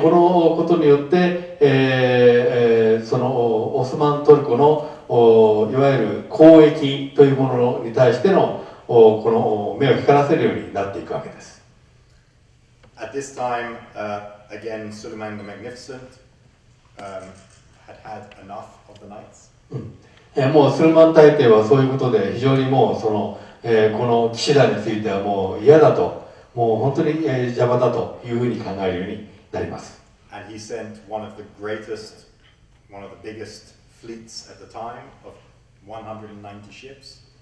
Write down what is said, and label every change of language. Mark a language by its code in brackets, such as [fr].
[ja] このことによって、そのオスマントルコのいわゆる交易というものに対してのこの目を光らせるようになっていくわけです。 [en] At this time, again, Suleiman the Magnificent, had had enough of the knights. [ja] もうスルマン大帝はそういうことで非常にもうそのこの騎士団についてはもう嫌だと、もう本当に邪魔だというふうに考えるようになります。 [en] And he sent one of the greatest, one of the biggest fleets at the time of 190 ships.